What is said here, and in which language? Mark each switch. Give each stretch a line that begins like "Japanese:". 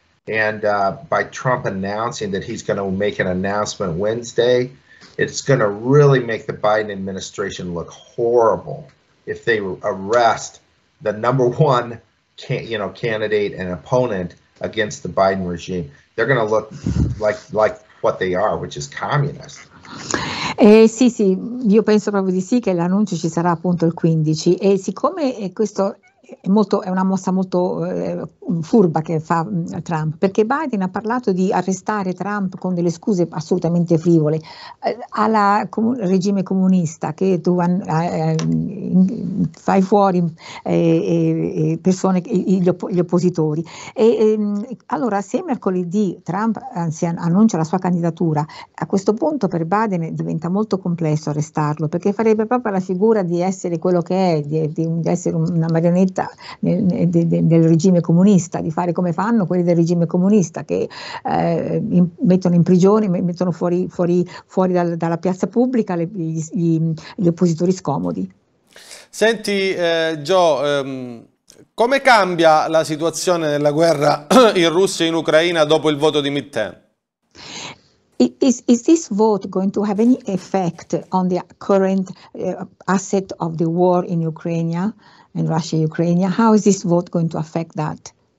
English: And by Trump announcing that he's going to make an announcement Wednesday, it's going to really make the Biden administration look horrible if they arrest the number one candidate and opponent against the Biden regime. They're going to look like what they are, which is communist.
Italian: Sì, io penso proprio di sì, che l'annuncio ci sarà appunto il 15, e siccome questo è una mossa molto furba che fa Trump, perché Biden ha parlato di arrestare Trump con delle scuse assolutamente frivole, alla regime comunista, che tu fai fuori persone, gli oppositori. Allora, se mercoledì Trump annuncia la sua candidatura, a questo punto per Biden diventa molto complesso arrestarlo, perché farebbe proprio la figura di essere quello che è, di essere una marionetta del regime comunista, di fare come fanno quelli del regime comunista, che mettono in prigione, mettono fuori dalla piazza pubblica gli oppositori scomodi. Senti, Gio, come cambia la situazione della guerra in Russia e in Ucraina dopo il voto di midterm?
English: Is this vote going to have any effect on the current asset of the war in Ukraine? In Russia, Ukraine, how is this vote going to affect that?